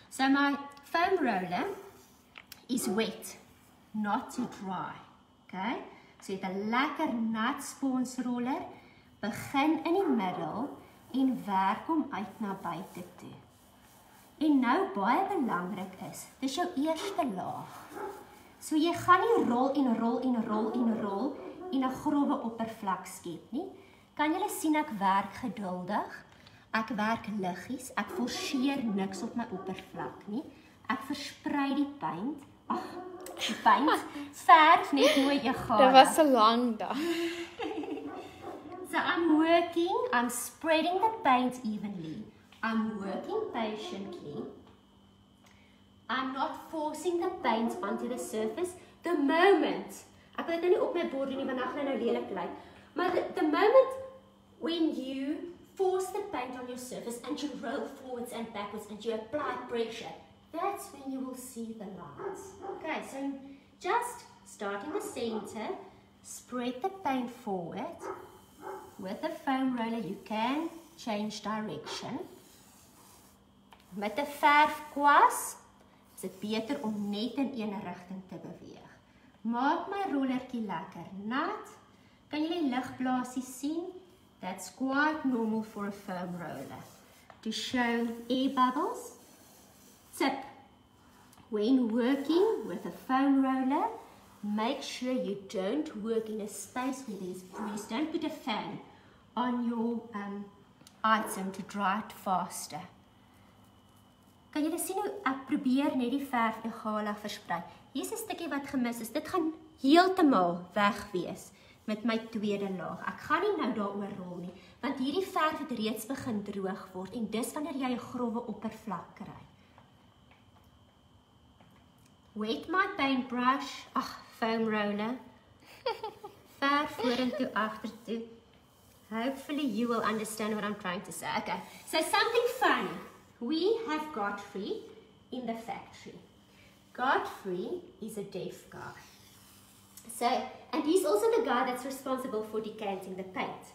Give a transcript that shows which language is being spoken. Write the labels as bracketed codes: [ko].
[en] So my foam roller is wet, not too dry. Okay? [af] So jy het 'n lekker nat spons roller, begin in die middel en werk hom uit na buite toe. En nou baie belangrik is, dis jou eerste laag. So jy gaan nie rol en rol en rol en rol en 'n grove oppervlak skep nie. Kan julle sien ek werk geduldig? Ek werk liggies. Ek forceer niks op my oppervlak nie. Ek versprei die paint. Ag, die paint verf net hoe jy gaan. Dit was 'n lang dag. [en] So I'm working, I'm spreading the paint evenly. I'm working patiently. I'm not forcing the paint onto the surface the moment. [af] Ek wil dit nie op my bord doen nie want dan gaan dit nou lelik lyk. [en] Maar the moment when you force the paint on your surface and you roll forwards and backwards and you apply pressure, that's when you will see the lines. Okay, so just start in the center, spread the paint forward with a foam roller. You can change direction. [af] Met 'n verfkwas is dit beter om net in een rigting te beweeg. Maak my rollertjie lekker nat. Kan jy die ligblaasies sien? [en] That's quite normal for a foam roller. To show air bubbles, tip, when working with a foam roller, make sure you don't work in a space where there's breeze. Don't put a fan on your item to dry it faster. [af] Kan jy sien hoe ek probeer net die verf egalig versprei? Hier is 'n stukkie wat gemis is. Dit gaan heeltemal weg wees met my tweede laag. Ek gaan nie nou daaroor rol nie, want hierdie verf het reeds begin droog word en dis wanneer jy 'n grove oppervlak kry. [en] Wet my paintbrush, ag, foam roller. [af] Verf vorentoe agtertoe. [en] Hopefully you will understand what I'm trying to say. Okay. So something funny. We have Godfrey in the factory. Godfrey is a deaf guy. So, and he's also the guy that's responsible for decanting the paint.